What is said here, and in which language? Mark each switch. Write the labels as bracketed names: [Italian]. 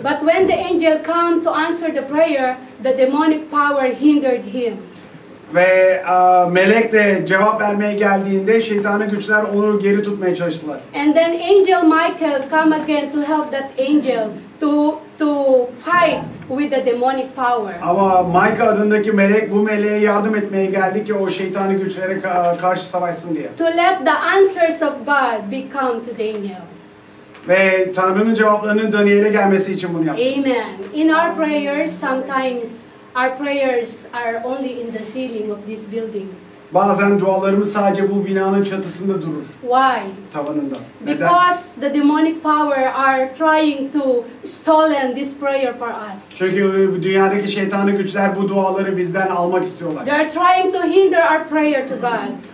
[English] But when the angel came to answer the prayer, the demonic power hindered him. [Turkish] Ve melek de cevap vermeye geldiğinde şeytanın güçler onu geri tutmaya çalıştılar. [English] And then angel Michael came again to help that angel to fight with the demonic power. [Turkish] Ama Mike adındaki melek bu meleğe yardım etmeye geldi ki o şeytani güçlere karşı savaşsın diye. [English] To let the answers of God become to Daniel. [Turkish] Ve Tanrı'nın cevaplarının Daniel'e gelmesi için bunu yaptı. [English] Amen. In our prayers sometimes our prayers are only in the ceiling of this building. [Turkish] Bazen dualarımız sadece bu binanın çatısında durur. [English] Why? [Turkish] Tavanında. Neden? [English] Because the demonic power are trying to stolen this prayer for us. [Turkish] Çünkü dünyadaki şeytanın güçler bu duaları bizden almak istiyorlar. [English] They are trying to hinder our prayer to God.